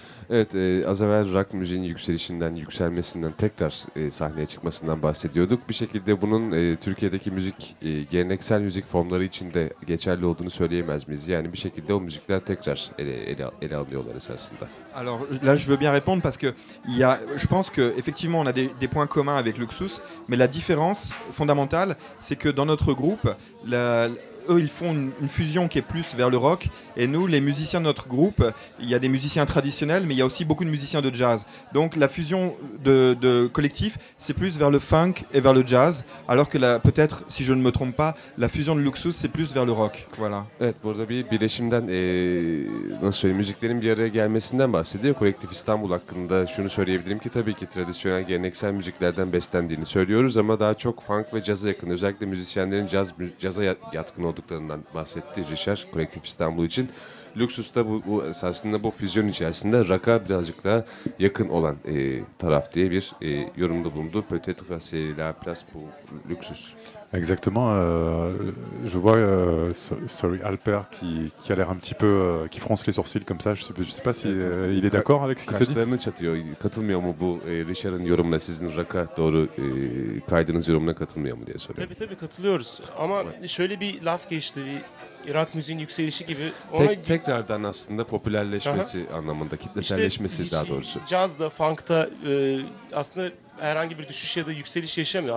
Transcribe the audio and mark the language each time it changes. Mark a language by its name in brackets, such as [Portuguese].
[Turkish] Evet, az evvel rock müziğin yükselmesinden, tekrar sahneye çıkmasından bahsediyorduk. Bir şekilde bunun Türkiye'deki müzik, geleneksel müzik formları için de geçerli olduğunu söyleyemez miyiz? Yani bir şekilde o müzikler tekrar ele alıyorlar esasında. [French] Alors là, je veux bien répondre parce que je pense que effectivement on a des points communs avec Luxus, mais la différence fondamentale, c'est que dans notre groupe, eux, ils font une fusion qui est plus vers le rock. Et nous, les musiciens de notre groupe, il y a des musiciens traditionnels, mais il y a aussi beaucoup de musiciens de jazz. Donc la fusion de collectif, c'est plus vers le funk et vers le jazz. Alors que peut-être, si je ne me trompe pas, la fusion de Luxus, c'est plus vers le rock. Voilà. [Turkish] Evet, burada bir birleşimden, nasıl söyleyeyim, müziklerin bir araya gelmesinden bahsediyor. Kolektif İstanbul hakkında şunu söyleyebilirim ki, tabii ki tradisyonel geleneksel müziklerden beslendiğini söylüyoruz. Ama daha çok funk ve caza yakın. Özellikle müzisyenlerin caza yatkın olduklarından bahsetti Richard Kolektif İstanbul için. Luxus da bu esasında bu füzyon içerisinde rock'a birazcık daha yakın olan taraf diye bir yorumda bulundu. [French] Peut-être que c'est la place pour Luxus. Exactement. Je vois sorry Alper qui a l'air un petit peu qui fronce les sourcils comme ça. Je sais pas si il est d'accord avec ce qu'il s'est dit. [Turkish] Kaçlarını çatıyor. Katılmıyor mu bu Richard'ın yorumuna, sizin rock'a doğru kaydığınız yorumuna katılmıyor mu diye soruyor. Tabii tabii katılıyoruz. Ama şöyle bir laf geçti. Rock müziğin yükselişi gibi. Tekrardan aslında popülerleşmesi anlamında, kitleselleşmesi daha doğrusu. Cazda, funk'ta aslında herhangi bir düşüş ya da yükseliş yaşamıyor.